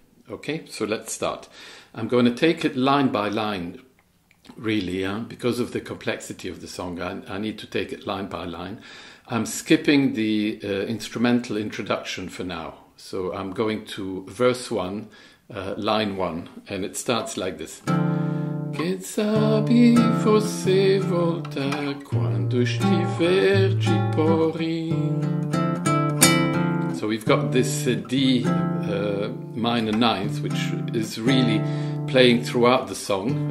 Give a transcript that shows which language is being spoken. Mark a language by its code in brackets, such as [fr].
[en] Okay, so let's start. I'm going to take it line by line, really, because of the complexity of the song. I need to take it line by line. I'm skipping the instrumental introduction for now. So I'm going to verse one, line one, and it starts like this. [pt] Quem sabe você volta quando estiver de porre. [en] So we've got this D minor ninth, which is really playing throughout the song.